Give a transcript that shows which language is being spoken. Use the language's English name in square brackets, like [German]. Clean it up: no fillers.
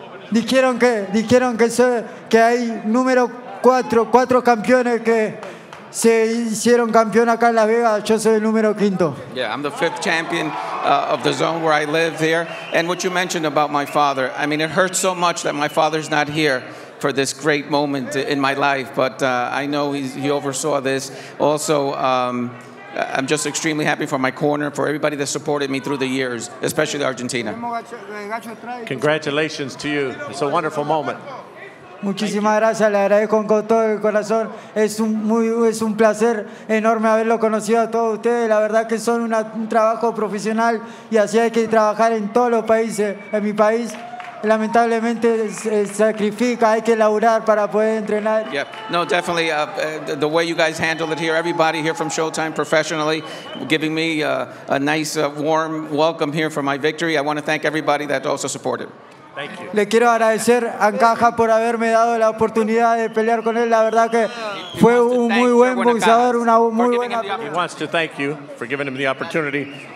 [Spanish] Dijeron que soy, que hay número cuatro campeones que se hicieron campeón acá en Las Vegas. Yo soy el número quinto. [English] Yeah, I'm the fifth champion of the zone where I live here. And what you mentioned about my father, I mean, it hurts so much that my father's not here for this great moment in my life, but I know he oversaw this. Also, I'm just extremely happy for my corner, for everybody that supported me through the years, especially Argentina. Congratulations to you. It's a wonderful moment. [Spanish] Muchísimas gracias. Le agradezco con todo el corazón. Es un placer enorme haberlo conocido a todos ustedes. La verdad que son un trabajo profesional y así hay que trabajar en todos los países. En mi país, lamentablemente, sacrifica, hay que laburar para poder entrenar. [English] Yeah, no, definitely. The way you guys handle it here, everybody here from Showtime professionally, giving me a nice warm welcome here for my victory. I want to thank everybody that also supported. Thank you. [Spanish] Le quiero agradecer a Ancajas por haberme dado la oportunidad de pelear con él. La verdad que fue un muy buen boxeador, una muy buena. [English] He wants to thank you for giving him the opportunity.